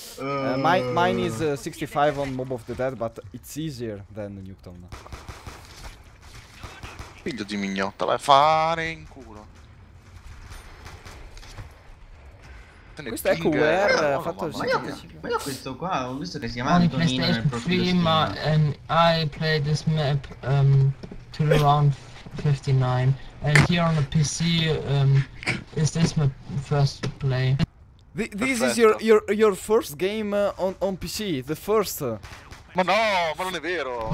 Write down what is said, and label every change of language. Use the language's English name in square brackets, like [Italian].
[English] Mine is 65 on Mob of the Dead, but it's easier than Nuketown. [Italian] Figlio di mignotta, vai a fare in culo. Questo è Ecoware, ha fatto il 75. Ma io questo qua, ho visto che si chiama Antonino nel profilo [English] prima, and I played this map to round 59. And here on the PC, is this my first play. This is your first game on PC, the first. [Italian] Ma no, ma non è vero.